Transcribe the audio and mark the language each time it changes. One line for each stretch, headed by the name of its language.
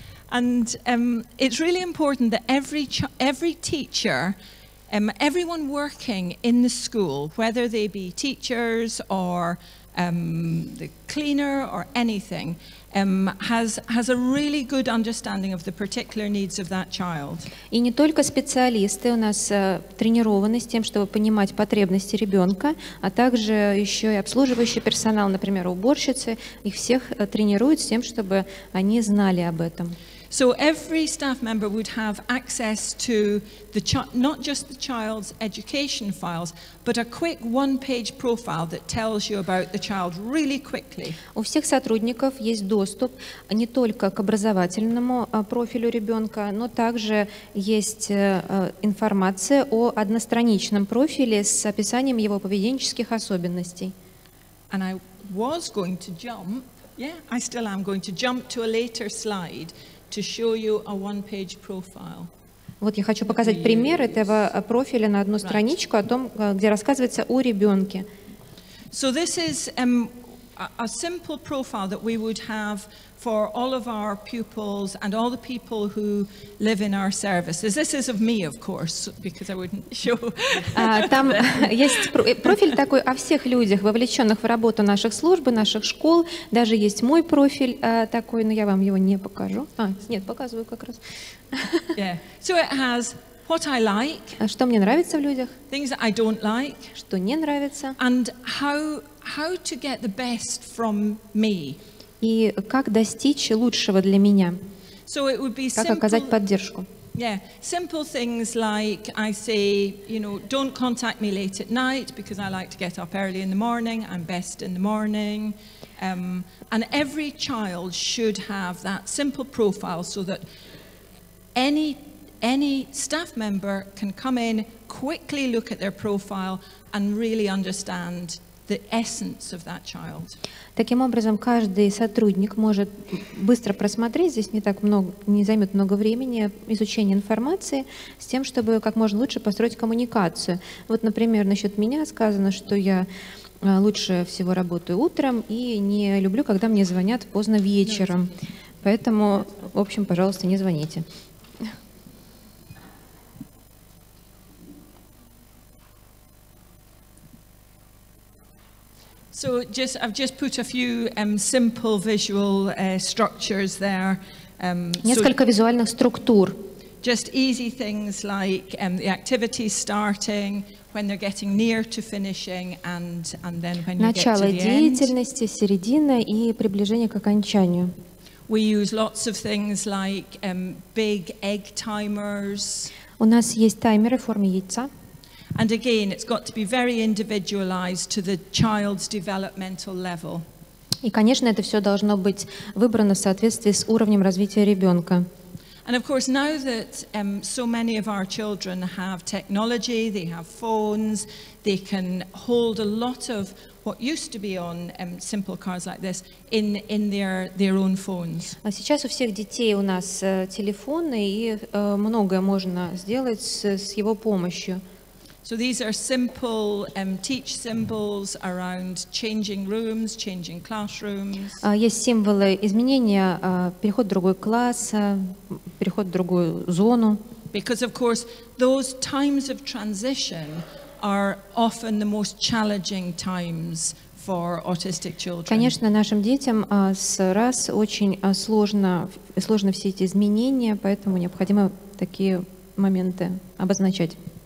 English: And it's really important that every teacher, everyone working in the school, whether they be teachers or the cleaner or anything, has a really good understanding of the particular needs of that child.
Russian: И не только специалисты у нас тренированы с тем, чтобы понимать потребности ребенка, а также еще и обслуживающий персонал, например, уборщицы, их всех тренируют с тем, чтобы они знали об этом.
English: So every staff member would have access to not just the child's education files, but a quick one-page profile that tells you about the child really quickly.
Russian: У всех сотрудников есть доступ не только к образовательному профилю ребенка, но также есть информация о одностраничном профиле с описанием его поведенческих особенностей.
English: And I was going to jump. Yeah, I still am going to jump to a later slide to show you a one-page profile.
Russian: Вот я хочу показать пример этого профиля на одну страничку о том, где рассказывается о ребенке.
English: So this is a simple profile that we would have for all of our pupils and all the people who live in our services. This is of me, of course, because I wouldn't show.
Russian: Там есть профиль такой о всех людях, вовлеченных в работу наших служб, наших школ. Даже есть мой профиль такой, но я вам его не покажу. А, нет, показываю как раз.
English: Yeah. So it has what I like.
Russian: Что мне нравится в людях?
English: Things that I don't like.
Russian: Что не нравится?
English: And how to get the best from me.
Russian: И как достичь лучшего для меня?
English: So it would be
Russian: simple, как оказать поддержку?
English: Yeah, simple things like I say, you know, don't contact me late at night because I like to get up early in the morning. I'm best in the morning. And every child should have that simple profile so that any staff member can come in, quickly look at their profile and really understand the essence of that child.
Russian: Таким образом, каждый сотрудник может быстро просмотреть, здесь не так много, не займет много времени изучение информации, с тем, чтобы как можно лучше построить коммуникацию. Вот, например, насчет меня сказано, что я лучше всего работаю утром и не люблю, когда мне звонят поздно вечером. Поэтому, в общем, пожалуйста, не звоните.
English: So just I've just put a few simple visual structures there.
Russian: Несколько визуальных структур.
English: Just easy things like the activity starting, when they're getting near to finishing, and then when you
Russian: начало
English: get to the
Russian: end. Начало деятельности, середина и приближение к окончанию.
English: We use lots of things like big egg timers.
Russian: У нас есть таймеры в форме яйца.
English: And again, it's got to be very individualized to the child's developmental level.
Russian: И, конечно, это все должно быть выбрано в соответствии с уровнем развития ребенка.
English: And of course, now that so many of our children have technology, they have phones, they can hold a lot of what used to be on simple cards like this in their own phones.
Russian: А сейчас у всех детей у нас телефоны, и многое можно сделать с его помощью.
English: So these are simple teach symbols around changing rooms, changing classrooms.
Russian: Есть символы изменения, переход в другой класс, переход в другую зону.
English: Because of course, those times of transition are often the most challenging times for autistic children.
Russian: Конечно, нашим детям с раз очень сложно все эти изменения, поэтому необходимо такие моменты обозначать.